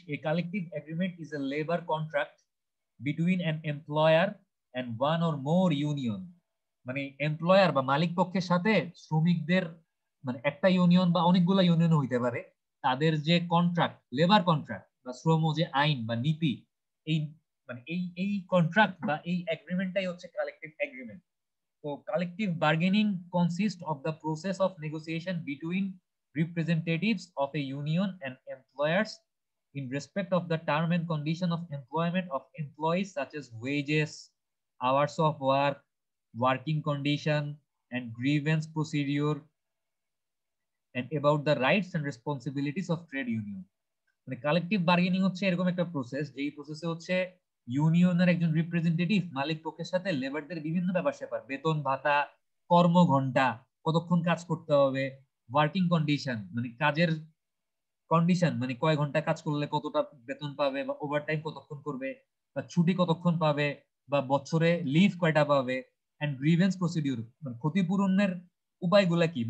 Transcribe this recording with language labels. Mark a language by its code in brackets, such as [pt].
[bn] এই [en] collective agreement is a labour contract between an employer and one or more union, [bn] মানে employer বা মালিক পক্ষের সাথে শ্রমিকদের মানে একটা ইউনিয়ন বা অনেকগুলো ইউনিয়ন হইতে পারে, তাদের যে কন্ট্রাক্ট, লেবার কন্ট্রাক্ট বা শ্রম যে আইন বা নীতি, এই মানে এই এই কন্ট্রাক্ট বা এই এগ্রিমেন্টটাই হচ্ছে কালেকটিভ এগ্রিমেন্ট। [en] তো collective bargaining consist of the process of negotiation between representatives of a union and employers in respect of the term and condition of employment of employees such as wages, hours of work, working condition and grievance procedure and about the rights and responsibilities of trade union. [bn] মানে collective bargaining হচ্ছে এরকম একটা process, যেই process হচ্ছে ইউনিয়নের একজন representative মালিক পক্ষের সাথে লেবারদের বিভিন্ন ব্যাপার স্যাপার, বেতন ভাতা, কর্ম ঘন্টা, কতক্ষণ কাজ করতে হবে, ওয়ার্কিং কন্ডিশন মানে কাজের কন্ডিশন মানে কয় ঘন্টা কাজ করলে কতটা বেতন পাবে বা ওভারটাইম কতক্ষণ করবে বা ছুটি কতক্ষণ পাবে বা বছরে লিভ কয়টা পাবে, এন্ড গ্রিভেন্স প্রসিডিউর মানে ক্ষতিপূরণের উপায়গুলো কি।